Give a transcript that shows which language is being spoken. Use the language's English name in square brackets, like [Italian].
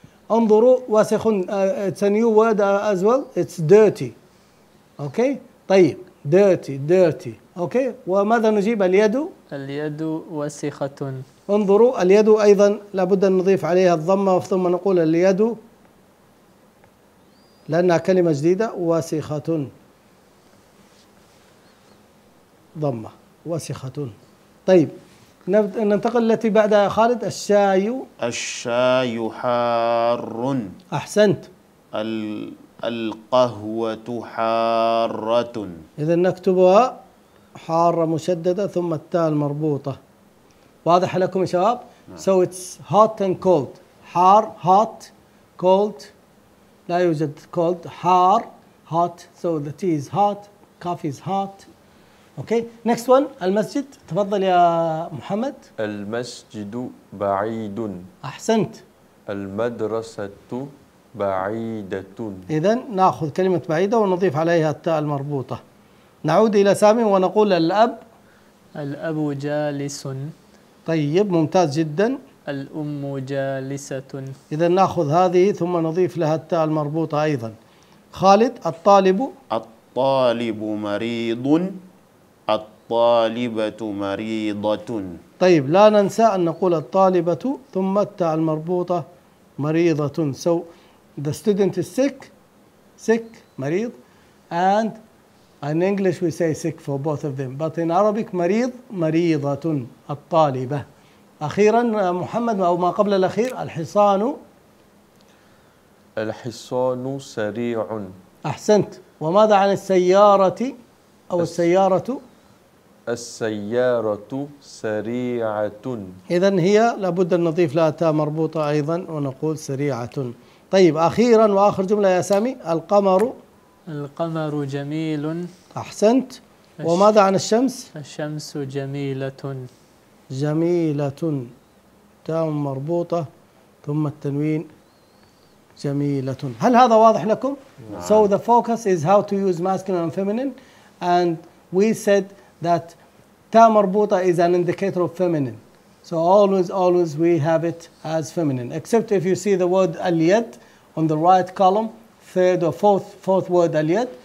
[Arabic] انظروا وسخ [English] it's a new word as well it's dirty. [Arabic] أوكي طيب [English] dirty dirty. [Arabic] أوكي وماذا نجيب؟ اليد. اليد وسخة. انظروا اليد أيضا لابد أن نضيف عليها الضمة ثم نقول اليد لأنها كلمة جديدة. وسخة ضمة وسخة. طيب ننتقل التي بعدها خالد. الشاي. الشاي حار. أحسنت. القهوة حارة. إذن نكتبها حارة مشددة ثم التاء المربوطة. واضح لكم يا شباب؟ [English] So it's hot and cold. [Arabic] حار hot cold لا يوجد cold حار hot. [English] So the tea is hot, coffee is hot. Okay, next one. [Arabic] المسجد. تفضل يا محمد. المسجد بعيد. أحسنت. المدرسة بعيدة. إذن نأخذ كلمة بعيدة ونضيف عليها التاء المربوطة. نعود إلى سامي ونقول الأب. الأب جالس. طيب ممتاز جدا. الأم جالسة. إذا نأخذ هذه ثم نضيف لها التاء المربوطة أيضا. خالد. الطالب. الطالب مريض. الطالبة مريضة. طيب لا ننسى أن نقول الطالبة ثم التاء المربوطة مريضة. [English] So the student is sick. Sick مريض. And in English we say sick for both of them. But in Arabic [Arabic] مريض مريضة. الطالبة. أخيرا محمد أو ما قبل الأخير. الحصان. الحصان سريع. أحسنت. وماذا عن السيارة أو السيارة؟ السيارة سريعة. إذن هي لابد أن نضيف لها تاء مربوطة أيضا ونقول سريعة. طيب أخيرا وآخر جملة يا سامي. القمر. القمر جميل. أحسنت. وماذا عن الشمس؟ الشمس جميلة. جميلة تاء مربوطة ثم التنوين جميلة. هل هذا واضح لكم؟ نعم. [English] So the focus is how to use masculine and feminine and we said that ta marbuta is an indicator of feminine. So always we have it as feminine. Except if you see the word al-yad on the right column, third or fourth word al-yad.